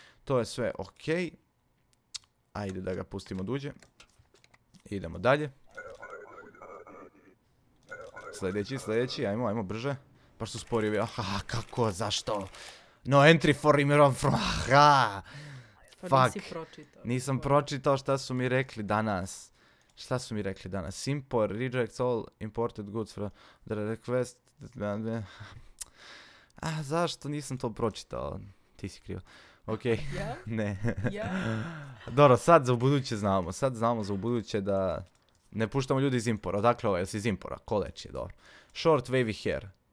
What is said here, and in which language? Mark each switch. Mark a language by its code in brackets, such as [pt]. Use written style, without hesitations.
[hr] To je sve okej. Okay. Ajde da ga pustimo duđe. Idemo dalje. Sljedeći, ajmo brže. Baš su sporivi, aha, kako, zašto? [en] No entry for Imran from, aha! [hr] Fuck, nisam pročitao šta su mi rekli danas. Šta su mi rekli danas? [en] Impor, rejects all imported goods from the request. [hr] A zašto nisam to pročitao? Ti si krivo. Okej, [en] okay. [hr] Ne. Dobro, sad za ubuduće znamo. Sad znamo za ubuduće da ne puštamo ljudi iz Impora. Dakle, ovo je iz Impora. Koleč je, dobro. [en] Short wavy hair.